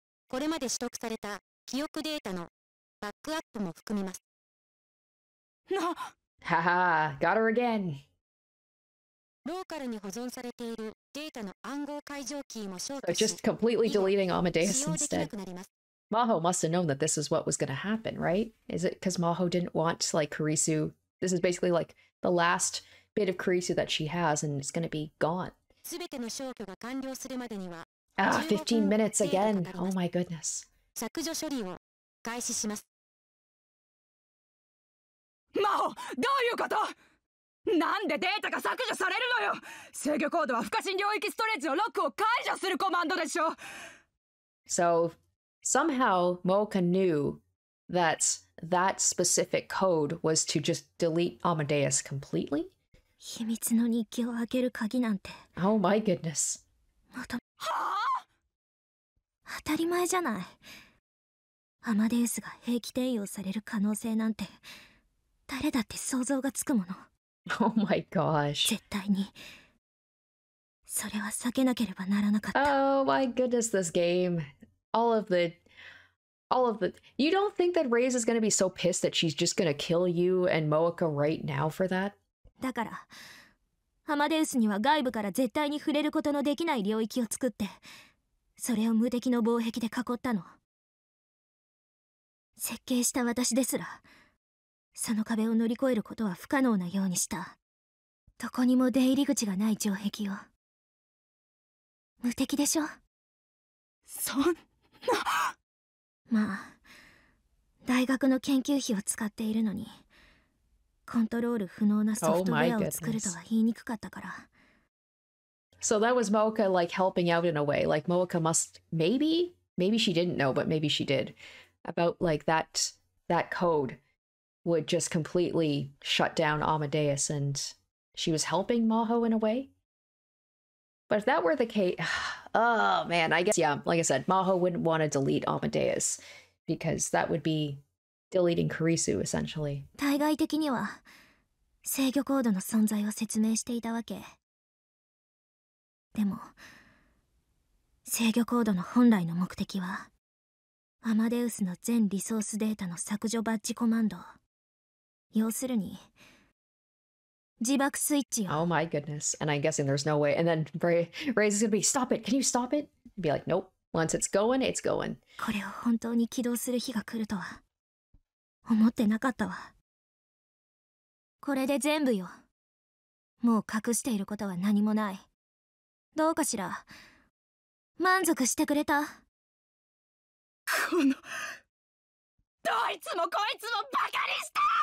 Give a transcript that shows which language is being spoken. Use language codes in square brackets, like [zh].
[ja] これまで取得された記憶データのバックアップも含みます。な、 [en] haha, got her again. [ja] ローカルに保存されているデータの暗号解除キーも消去し、 [en] just completely deleting Amadeus instead. Maho must have known that this is what was going to happen, right? Is it because Maho didn't want like Kirisu? This is basically like the last bit of Kirisu that she has, and it's going to be gone. [ja] すべての消去が完了するまでには。 [en] Ah, 15 minutes again. Oh my goodness. [ja] 削除処理を開始します。マホ、どういうこと？なんでデータが削除されるのよ？制御コードは不可侵領域ストレージのロックを解除するコマンドでしょ [en] ？So, somehow, Mooka knew that that specific code was to just delete Amadeus completely? [ja] 秘密の日記を開ける鍵なんて。 [en] Oh my goodness. [ja] はあ？当たり前じゃない。アマデウスが兵器転用される可能性なんて誰だって想像がつくもの。 [en] Oh my gosh. [ja] 絶対に。それは避けなければならなかった。 [en] Oh my goodness, this game. All of the... You don't think that Reyes is gonna be so pissed that she's just gonna kill you and Mooka right now for that? [ja] だから、アマデウスには外部から絶対に触れることのできない領域を作って、それを無敵の防壁で囲ったの。設計した私ですら、その壁を乗り越えることは不可能なようにした。どこにも出入り口がない城壁を。無敵でしょ？そんな。まあ、大学の研究費を使っているのに、コントロール不能なソフトウェアを作るとは言いにくかったから。 [en] So that was Mooka like helping out in a way. Like Mooka must maybe she didn't know, but maybe she did. About like that code would just completely shut down Amadeus and she was helping Maho in a way. But if that were the case, oh man, I guess, yeah, like I said, Maho wouldn't want to delete Amadeus because that would be deleting Kirisu essentially. [ja] 対外的には制御コードの存在を説明していたわけ。でも、制御コードの本来の目的は、アマデウスの全リソースデータの削除バッジコマンド。要するに、自爆スイッチを。 [en] Oh my goodness. And I'm guessing there's no way. And then Reyes is gonna be, stop it! Can you stop it? Be like, nope. Once it's going, it's going. [ja] これを本当に起動する日が来るとは、思ってなかったわ。これで全部よ。もう隠していることは何もない。どうかしら。満足してくれた。このどいつもこいつもバカにした。